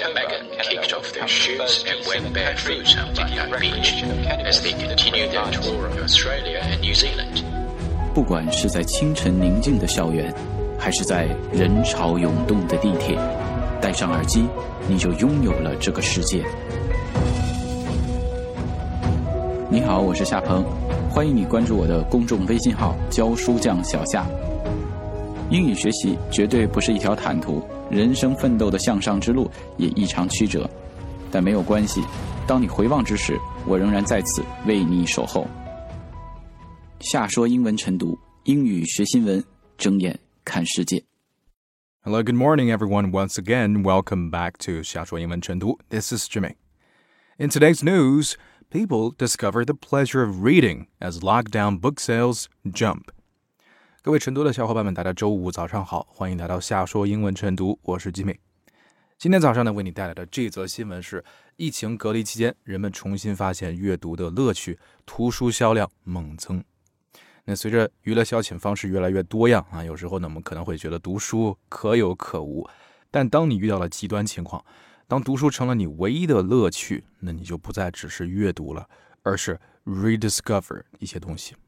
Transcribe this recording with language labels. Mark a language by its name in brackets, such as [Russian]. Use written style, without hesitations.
[English] and Megan kicked off their shoes and went barefoot on Bondi Beach as they continued their tour of Australia and New Zealand. [Chinese] 不管是在清晨宁静的校园，还是在人潮涌动的地铁，戴上耳机，你就拥有了这个世界。你好，我是夏鹏，欢迎你关注我的公众微信号“教书匠小夏”。英语学习绝对不是一条坦途，人生奋斗的向上之路也异常曲折，但没有关系，当你回望之时，我仍然在此为你守候。夏说英文晨读，英语学新闻，睁眼看世界。 [English] Hello, good morning, everyone. Once again, welcome back to 夏说英文晨读。This is Jimmy. In today's news, people discover the pleasure of reading as lockdown book sales jump. [Chinese] 各位晨读的小伙伴们，大家周五早上好，欢迎来到夏说英文晨读，我是 Jimmy。今天早上呢，为你带来的这则新闻是：疫情隔离期间，人们重新发现阅读的乐趣，图书销量猛增。那随着娱乐消遣方式越来越多样啊，有时候呢我们可能会觉得读书可有可无，但当你遇到了极端情况，当读书成了你唯一的乐趣，那你就不再只是阅读了，而是 rediscover 一些东西。